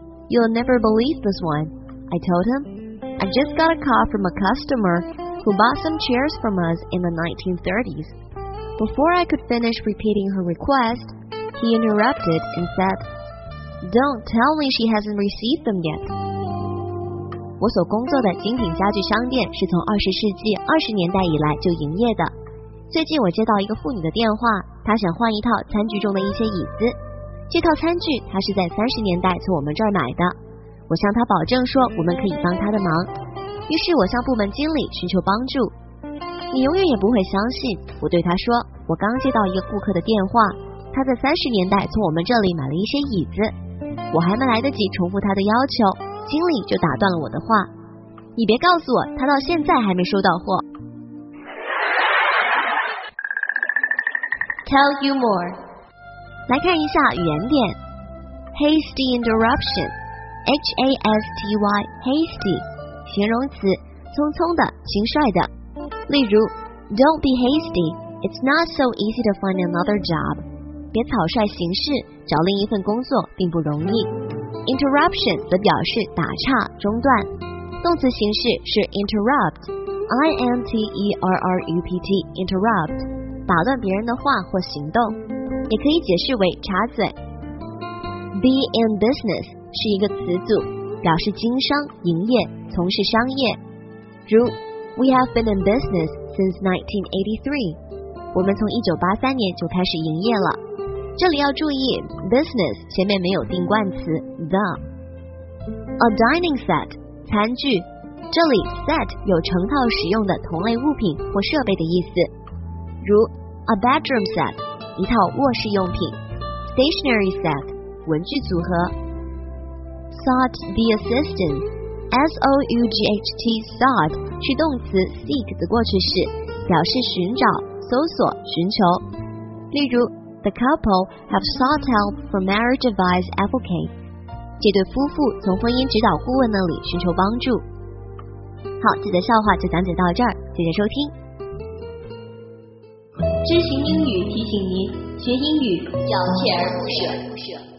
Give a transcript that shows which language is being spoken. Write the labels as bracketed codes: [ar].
[en] You'll never believe this one, I told him. I just got a call from a customer who bought some chairs from us in the 1930s. Before I could finish repeating her request, he interrupted and said, Don't tell me she hasn't received them yet. [zh] 我所工作的精品家具商店是从20世纪20年代以来就营业的。最近我接到一个妇女的电话，她想换一套餐具中的一些椅子。这套餐具她是在30年代从我们这儿买的。我向她保证说我们可以帮她的忙。于是我向部门经理寻求帮助。你永远也不会相信，我对他说，我刚接到一个顾客的电话，他在30年代从我们这里买了一些椅子。我还没来得及重复他的要求，经理就打断了我的话。你别告诉我，他到现在还没收到货。 [en] Tell you more. [zh] 来看一下语言点。 [en] Hasty interruption. H-A-S-T-Y, hasty. [zh] 形容词，匆匆的，轻率的。 [en] 例如 Don't be hasty, it's not so easy to find another job. [zh] 别草率行事，找另一份工作并不容易。 Interruption 则表示打岔、中断。动词形式是 interrupt, [en] I-N-T-E-R-R-U-P-T, interrupt, [zh] 打断别人的话或行动。也可以解释为插嘴。 [en] Be in business [zh] 是一个词组，表示经商、营业、从事商业。 [en] 如We have been in business since 1983. [zh] 我们从1983年就开始营业了。这里要注意 business 前面没有定冠词 the. [en] A dining set, [zh] 餐具。这里 set 有成套使用的同类物品或设备的意思。 [en] 如 a bedroom set, [zh] 一套卧室用品。 [en] Stationery set, [zh] 文具组合。 [en] Sought the assistance. [zh] S-O-U-G-H-T, sought, 是动词 seek 的过去式，表示寻找、搜索、寻求。 [en] 例如 The couple have sought help from marriage advice advocate. [zh] 这对夫妇从婚姻指导顾问那里寻求帮助。好，这节笑话就讲解到这儿，谢谢收听。知行英语提醒您，学英语要锲而不舍。